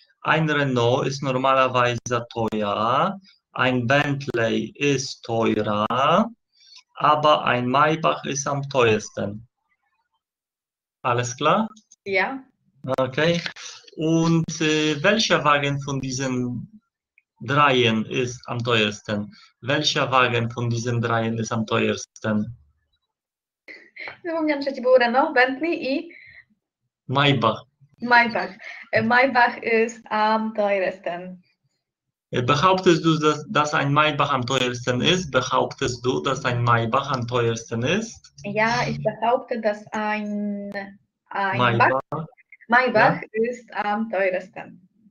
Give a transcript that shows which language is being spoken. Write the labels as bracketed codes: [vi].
[de] Ein Renault ist normalerweise teuer, ein Bentley ist teurer, aber ein Maybach ist am teuersten. Alles klar? Ja. Okay. Und welcher Wagen von diesen dreien ist am teuersten? Welcher Wagen von diesen dreien ist am teuersten? [pl] Zapomniałam, trzeci był Renault, Bentley i [de] Maybach. Maybach. Maybach ist am teuersten. Behauptest du, dass ein Maybach am teuersten ist? Behauptest du, dass ein Maybach am teuersten ist? Ja, ich behaupte, dass ein Maybach, ja? Maybach ist am teuersten.